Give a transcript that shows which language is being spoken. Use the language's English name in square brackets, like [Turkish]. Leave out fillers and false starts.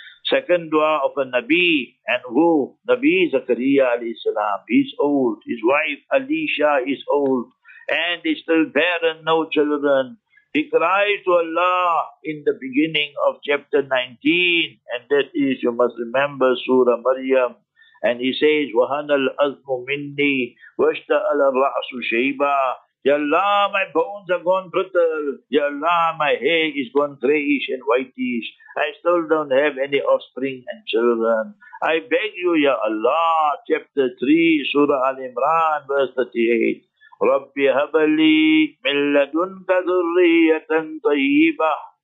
[English] Second dua of a Nabi, and who? Nabi Zakariya alayhi salam. He's old. His wife, Alisha, is old. And he's still barren, no children. He cries to Allah in the beginning of chapter 19, and that is, you must remember, Surah Maryam. And he says, [Arabic] وَهَنَ الْأَذْمُ مِنِّي وَاشْتَأَلَ الرَّأْسُ شَيْبًا. [English] Ya Allah, my bones have gone brittle. Ya Allah, my hair is gone grayish and whitish. I still don't have any offspring and children. I beg you, Ya Allah, chapter 3, Surah Al-Imran, verse 38. [Arabic] رَبِّ هَبَلِي مِنْ لَدُنْكَ ذُرِّيَّةً طَيِّبَةً.